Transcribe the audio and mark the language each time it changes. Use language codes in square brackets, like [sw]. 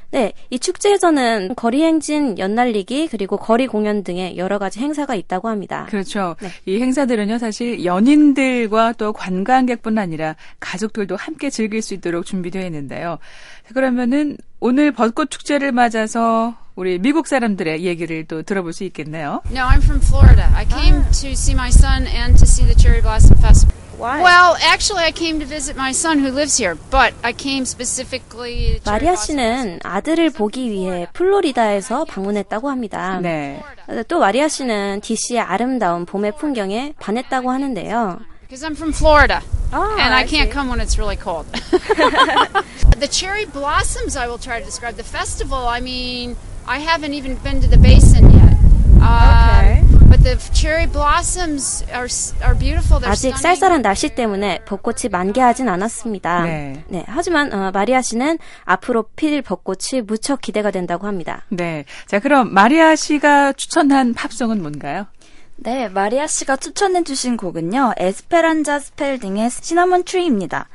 [ko] 네, 이 축제에서는 거리 행진, 연날리기, 그리고 거리 공연 등의 여러 가지 행사가 있다고 합니다. 그렇죠. 네. 이 행사들은요, 사실 연인들과 또 관광객뿐 아니라 가족들도 함께 즐길 수 있도록 준비되어 있는데요. 그러면은 오늘 벚꽃 축제를 맞아서 우리 미국 사람들의 얘기를 또 들어볼 수 있겠네요. [en] No, I'm from Florida. I came to see my son and to see the Cherry Blossom Festival. Why? Well, actually, I came to visit my son who lives here, but I came specifically. [ko] 마리아 씨는 아들을 보기 위해 플로리다에서 방문했다고 합니다. 네. 또 마리아 씨는 DC의 아름다운 봄의 풍경에 반했다고 하는데요. [en] Because I'm from Florida. Oh, and I can't come when it's really cold. The cherry blossoms, I will try to describe. The festival, I mean, I haven't even been to the basin yet. Okay. But the cherry blossoms are beautiful. They're [ko] 아직 [en] stunning. [ko] 쌀쌀한 날씨 때문에 벚꽃이 만개하진 않았습니다. 네. 네. 하지만 마리아 씨는 앞으로 필 벚꽃이 무척 기대가 된다고 합니다. 네. 자, 그럼 마리아 씨가 추천한 팝송은 뭔가요? 네, 마리아 씨가 추천해 주신 곡은요, 에스페란자 스펠딩의 시나몬 트리입니다.